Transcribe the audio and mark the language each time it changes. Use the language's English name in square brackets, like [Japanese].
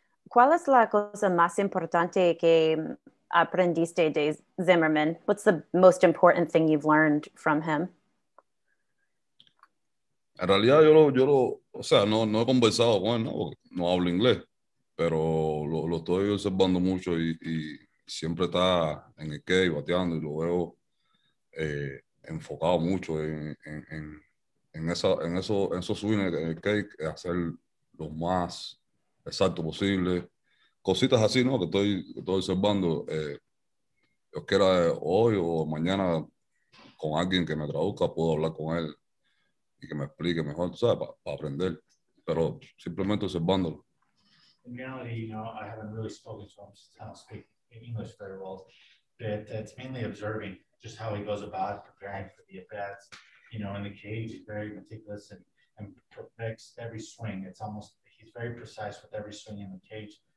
[Spanish] ¿Cuál es la cosa más importante que aprendiste de Zimmerman? [English] What's the most important thing you've learned from him? [Spanish] En realidad, no he conversado con él, ¿no? No hablo inglés, pero lo estoy observando mucho y siempre está en el cage bateando y lo veo enfocado mucho en esos swings en el cake, es hacer lo más exacto posible. Cositas así, ¿no? Que estoy observando. Yo quiera hoy o mañana con alguien que me traduzca, puedo hablar con él y que me explique mejor, ¿sabes? Para aprender. Pero simplemente observándolo. [English] In reality, you know, I haven't really spoken to him since I don't speak English very well. But it's mainly observing just how he goes about preparing for the at-bats. You know, in the cage, he's very meticulous and perfects every swing. It's almost, he's very precise with every swing in the cage.